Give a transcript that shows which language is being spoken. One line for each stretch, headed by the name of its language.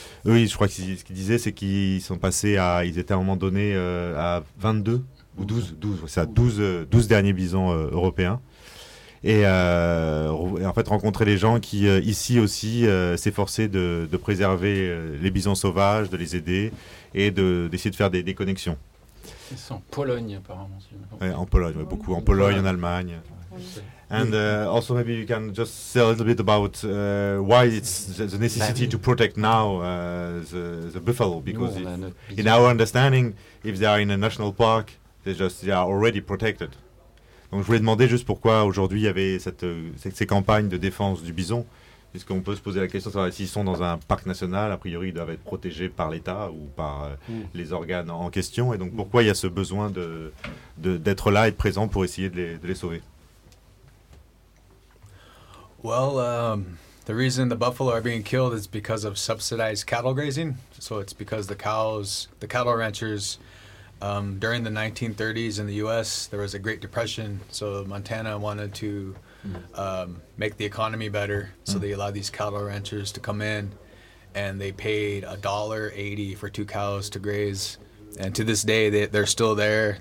French: Eux, je crois que ce qu'ils disaient, c'est qu'ils sont passés ils étaient à un moment donné à 22, ou 12 derniers bisons européens. Et en fait, rencontrer les gens qui, ici aussi, s'efforçaient de préserver les bisons sauvages, de les aider et d'essayer de faire des connexions.
English: It's
French: en Pologne, apparemment. Ouais, en Pologne, ouais, beaucoup. En Pologne, en Allemagne.
English: And also, maybe you can just say a little bit about why it's the necessity to protect now the buffalo. Because in our understanding, if they are in a national park, they are already protected.
French: Donc je voulais demander juste pourquoi aujourd'hui il y avait ces campagnes de défense du bison, puisqu'on peut se poser la question, s'ils sont dans un parc national, a priori ils doivent être protégés par l'État ou par les organes en question, et donc pourquoi il y a ce besoin d'être là et de présent pour essayer de les sauver.
English: Well, the reason the buffalo are being killed is because of subsidized cattle grazing, so it's because the cattle ranchers... during the 1930s in the U.S., there was a Great Depression, so Montana wanted to make the economy better, so they allowed these cattle ranchers to come in, and they paid $1.80 for two cows to graze, and to this day, they're still there.